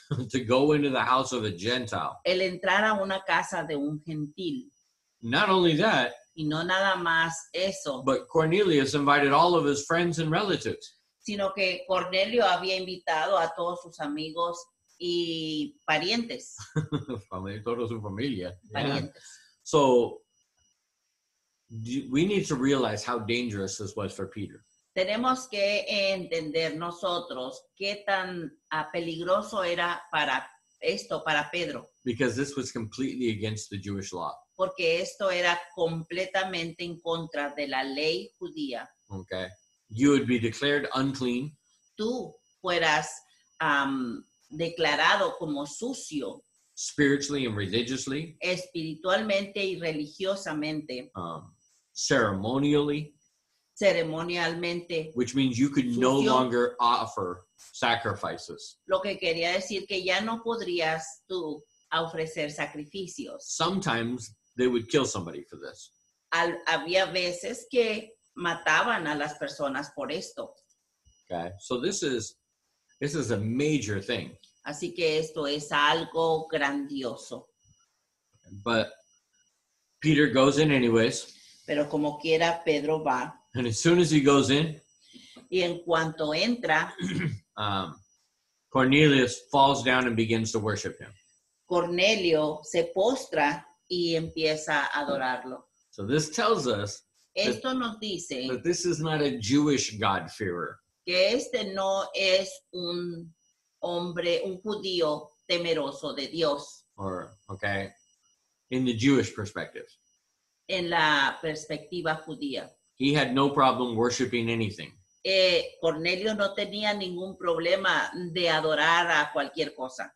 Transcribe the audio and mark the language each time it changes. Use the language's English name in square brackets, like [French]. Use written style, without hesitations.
[English] To go into the house of a Gentile. [Spanish] El entrar a una casa de un gentil. [English] Not only that. [Spanish] Y no nada más eso. [English] But Cornelius invited all of his friends and relatives. [Spanish] Sino que Cornelio había invitado a todos sus amigos y parientes. Toda su familia. Parientes. Yeah. [English] So, we need to realize how dangerous this was for Peter. [Spanish] Tenemos que entender nosotros qué tan peligroso era para esto, para Pedro. [English] Because this was completely against the Jewish law. [Spanish] Porque esto era completamente en contra de la ley judía. [English] Okay. You would be declared unclean. [Spanish] Tú fueras declarado como sucio. [English] Spiritually and religiously. [Spanish] Espiritualmente y religiosamente. [English] Ceremonially. [Spanish] Ceremonialmente. [English] Which means you could no longer offer sacrifices. [Spanish] Lo que quería decir que ya no podrías tú ofrecer sacrificios. [English] Sometimes they would kill somebody for this. [Spanish] Había veces que mataban a las personas por esto. [English] Okay, so this is a major thing. [Spanish] Así que esto es algo grandioso. [English] But Peter goes in anyways. [Spanish] Pero como quiera, Pedro va. [English] And as soon as he goes in, [Spanish] y en cuanto entra, [English] Cornelius falls down and begins to worship him. [Spanish] Cornelio se postra y empieza a adorarlo. [English] So this tells us [Spanish] esto nos dice [English] that this is not a Jewish God-fearer. [Spanish] Que este no es un hombre, un judío temeroso de Dios. [English] Or, okay, in the Jewish perspective. [Spanish] En la perspectiva judía. [English] He had no problem worshiping anything. [Spanish] Cornelio no tenía ningún problema de adorar a cualquier cosa.